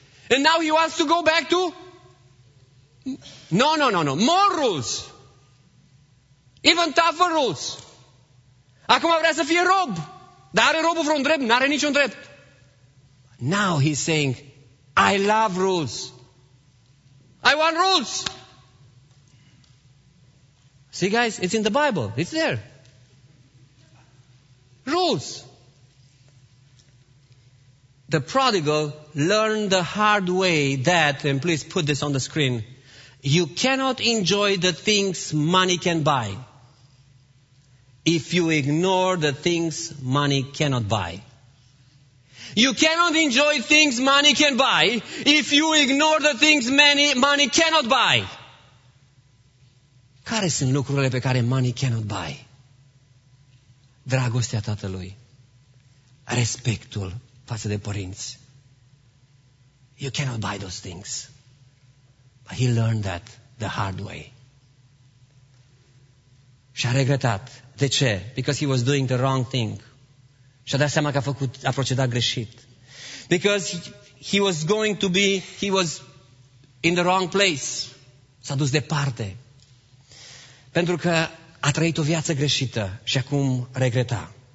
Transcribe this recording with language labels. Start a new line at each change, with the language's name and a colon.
English: And now he wants to go back to... No. More rules. Even tougher rules.
Romanian: Acum vrea să fie rob. Dar are robul vreun drept? N-are niciun drept.
English: Now he's saying, I love rules. I want rules. See, guys, it's in the Bible. It's there. Rules. The prodigal learned the hard way that, and please put this on the screen, you cannot enjoy the things money can buy if you ignore the things money cannot buy. You cannot enjoy things money can buy if you ignore the things money cannot buy.
Romanian: Care sunt lucrurile pe care
English: money cannot buy?
Romanian: Dragostea tatălui. Respectul față de părinți.
English: You cannot buy those things. But he learned that the hard way.
Romanian: Și-a regretat. De ce?
English: Because he was doing the wrong thing.
Romanian: Și-a dat seama că a procedat greșit.
English: Because he was going to be, he was in the wrong place.
Romanian: S-a dus departe. Pentru că a trăit o viață greșită și acum regreta.